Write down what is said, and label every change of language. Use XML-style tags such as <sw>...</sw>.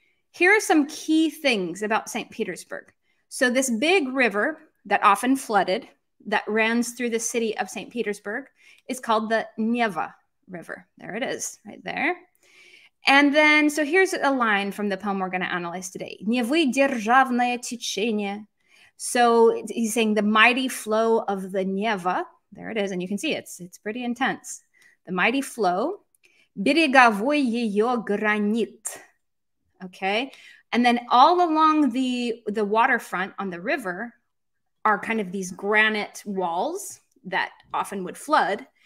<en>Here are some key things about St. Petersburg. So this big river that often flooded that runs through the city of St. Petersburg is called the Neva River. There it is, right there. And then, so here's a line from the poem we're going to analyze today.</en> <ru>Невы державное течение.</ru> <en>So he's saying the mighty flow of the Neva. There it is. And you can see it's pretty intense. The mighty flow.</en> <ru>Береговой ее гранит. Okay.</ru> <en>And then all along the waterfront on the river are kind of these granite walls that often would flood.</en>